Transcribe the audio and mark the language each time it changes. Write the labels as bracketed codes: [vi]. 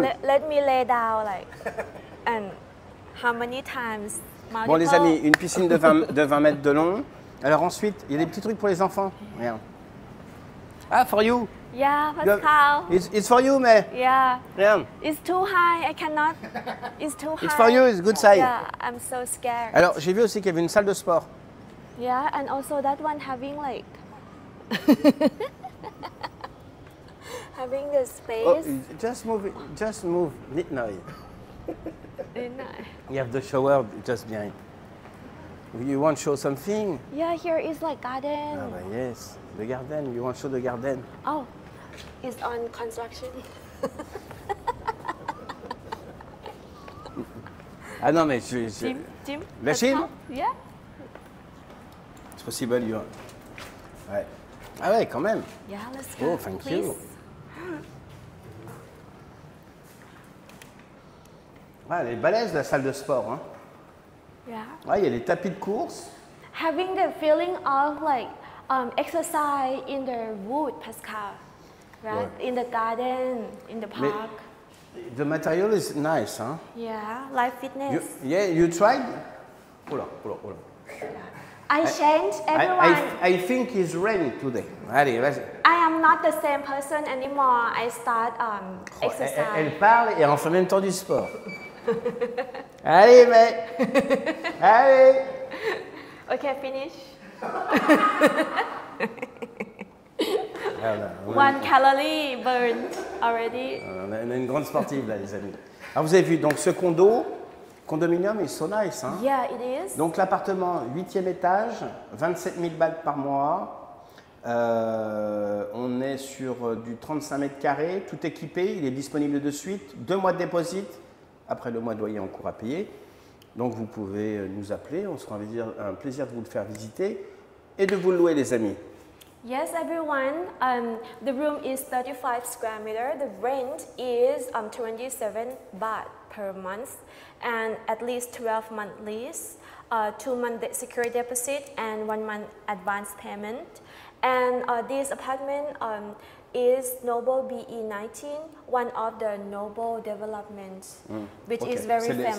[en] Let me lay down like, and how many times? Multiple? [fr] Bon, les amis, une piscine de 20 mètres de long. Alors ensuite, il y a des petits trucs pour les enfants. [en] Yeah. Ah, for you. Yeah, Pascal. It's for you, mais. Yeah. Yeah. It's too high, I cannot. It's too high. It's for you, it's good size. Yeah, I'm so scared. [fr] Alors, j'ai vu aussi qu'il y avait une salle de sport. [en] Yeah, and also that one having like having the space. Oh, just move. Need now. You have the shower just behind. You want to show something? Yeah, here is like garden. Ah, bah yes, the garden. You want to show the garden? Oh, it's on construction. [fr] Ah non, mais je... [en] Jim? [fr] La Chine? [en] Yeah. Possible, you. [fr] Ouais. Ah ouais, quand même. [en] Yeah, let's go. Oh, thank please. You. [fr] Ouais, elle est balèze, la salle de sport, hein. [en] Yeah. [fr] Ouais, il y a les tapis de course. [en] Having the feeling of like exercise in the wood, Pascal. Right? Ouais. In the garden, in the park. Mais, the material is nice, hein. Yeah, life fitness. You tried? Hold on. Yeah. I change everyone. I think it's raining today. Allez, I am not the same person anymore. I start exercise. [fr] Elle parle et en fait même temps du sport. Allez, mec. Allez. [en] Ok, finish. Voilà, one calorie burned already. [fr] On a une grande sportive là, les amis. Alors, vous avez vu, donc ce condo, [en] condominium is so nice. [fr] Hein? [en] Yeah, it is. [fr] Donc l'appartement, 8e étage, 27 000 balles par mois. On est sur du 35 mètres carrés, tout équipé, il est disponible de suite. 2 mois de déposit, après le mois de loyer, on court à payer. Donc vous pouvez nous appeler, on sera avec un plaisir de vous le faire visiter et de vous le louer, les amis. [en] Yes, everyone. The room is 35 square meter. The rent is 27 baht per month, and at least 12 month lease, 2 month security deposit, and 1 month advance payment. And this apartment is Noble BE19, one of the Noble developments, which is very famous.